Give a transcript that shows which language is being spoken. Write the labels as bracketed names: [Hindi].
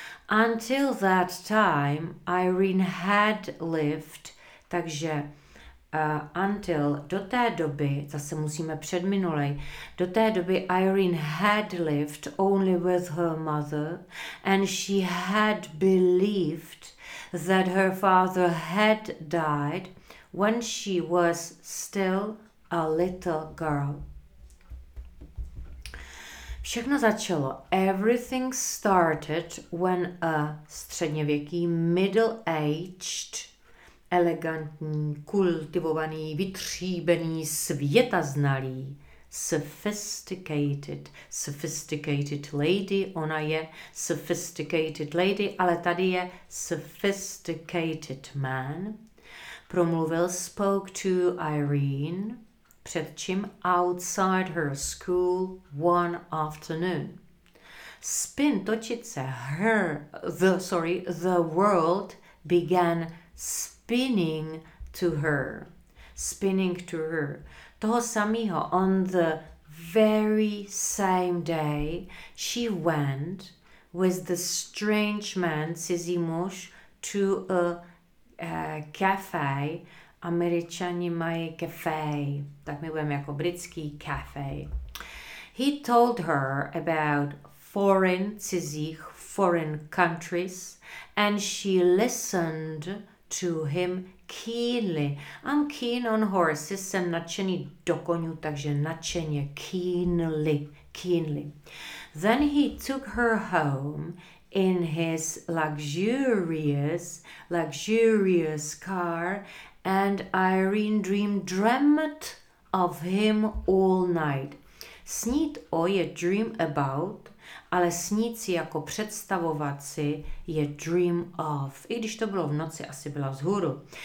[English] Until that time, Irene had lived, [Czech] takže [English] until, [Czech] do té doby, zase musíme předminulej, do té doby [English] Irene had lived only with her mother and she had believed that her father had died when she was still a little girl. [Czech] Všechno začalo. [English] Everything started when a [Czech] středněvěký, [English] middle-aged, [Czech] elegantní, kultivovaný, vytříbený, světaznalý, [English] sophisticated lady, ona je sophisticated lady, ale tady je sophisticated man, [Czech] promluvil, [English] spoke to Irene, [Czech] před čím, [English] outside her school one afternoon. Spin, [Czech] točit se, [English] the world began spinning to her. Spinning to her. [Czech] Toho samého, [English] on the very same day, she went with the strange man, [Czech] cizí muž, [English] to a cafe. [Czech] Američani mají cafe, tak my budeme jako britský cafe. [English] He told her about foreign, [Czech] cizích, [English] foreign countries and she listened to him keenly. I'm keen on horses, [Czech] jsem nadšený do koní, takže nadšeně, [English] keenly, keenly. Then he took her home in his luxurious car and Irene dreamt of him all night. [Czech] Snít o je [English] dream about, [Czech] ale snít si jako představovat si je [English] dream of. [Czech] I když to bylo v noci, asi byla vzhůru.